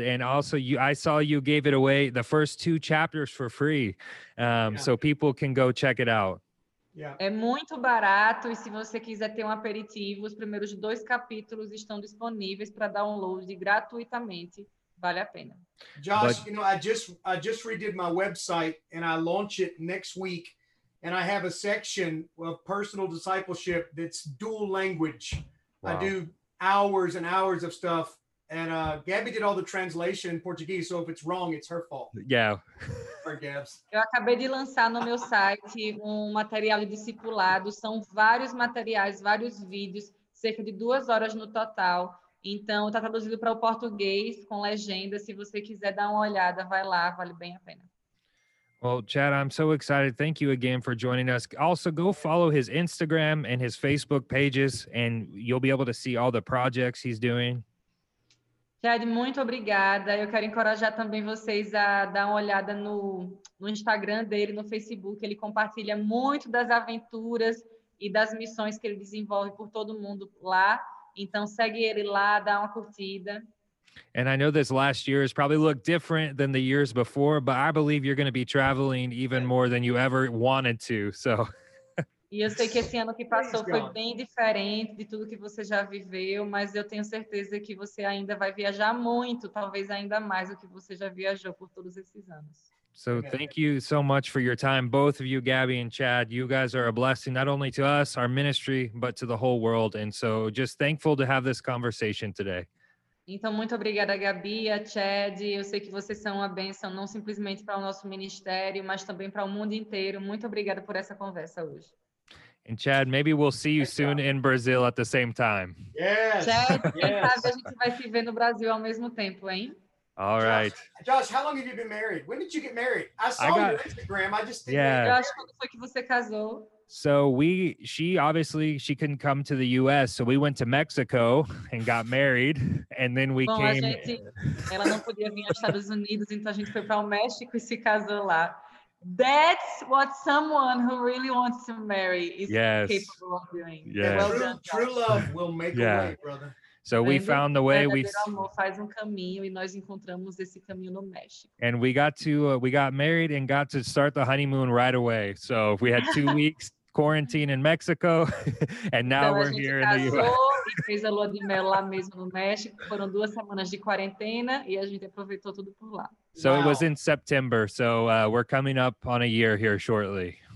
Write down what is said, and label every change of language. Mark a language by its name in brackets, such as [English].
[English] And also, I saw you gave it away, the first 2 chapters for free. So people can go check it out. [Portuguese] Yeah. É muito barato, e se você quiser ter um aperitivo, os primeiros 2 capítulos estão disponíveis para download gratuitamente. Vale a pena. [English] Josh, you know, I just redid my website and I launch it next week, and I have a section of personal discipleship that's dual language. Wow. I do hours and hours of stuff, and Gabby did all the translation in Portuguese, so if it's wrong, it's her fault. Yeah. Or Gabs. [Portuguese] Eu acabei de lançar no meu site material de discipulado. São vários materiais, vários vídeos, cerca de 2 horas no total. Então, está traduzido para o português com legenda. Se você quiser dar uma olhada, vai lá, vale bem a pena. [English] Well, Chad, I'm so excited. Thank you again for joining us. Also, go follow his Instagram and his Facebook pages, and you'll be able to see all the projects he's doing. [Portuguese] Chad, muito obrigada. Eu quero encorajar também vocês a dar uma olhada no Instagram dele, no Facebook. Ele compartilha muito das aventuras e das missões que ele desenvolve por todo mundo lá. Então segue ele lá, dá uma curtida. [English] And I know this last year has probably looked different than the years before, but I believe you're going to be traveling even more than you ever wanted to. So. [Portuguese] E eu sei que esse ano que passou foi bem diferente de tudo que você já viveu, mas eu tenho certeza que você ainda vai viajar muito, talvez ainda mais do que você já viajou por todos esses anos. [English] So thank you so much for your time, both of you, Gabby and Chad. You guys are a blessing, not only to us, our ministry, but to the whole world. And so just thankful to have this conversation today. [Portuguese] Então, muito obrigada, Gabi, a Chad. Eu sei que vocês são uma bênção, não simplesmente para o nosso ministério, mas também para o mundo inteiro. Muito obrigada por essa conversa hoje. [English] And Chad, maybe we'll see you soon in Brazil at the same time. Yes. [Portuguese] Chad, quem sabe a gente vai se ver no Brasil ao mesmo tempo, hein? [English] All right. Josh, how long have you been married? When did you get married? I saw your Instagram. I just [Portuguese] Josh, quando foi que você casou? [English] So she couldn't come to the U.S., so we went to Mexico and got married, and then we came. [Portuguese] Ela não podia vir aos Estados Unidos, então a gente foi para o México e se casou lá. [English] That's what someone who really wants to marry is yes. capable of doing. Yes. Well done, true love will make yeah. a way, brother. So we found the way. And we got married and got to start the honeymoon right away. So we had 2 weeks quarantine in Mexico, and now [Portuguese] então, [English] we're here in the US. [Portuguese] E fez a lua de mel lá mesmo no México. Foram 2 semanas de quarentena e a gente aproveitou tudo por lá. [English] So wow. It was in September. So we're coming up on a year here shortly.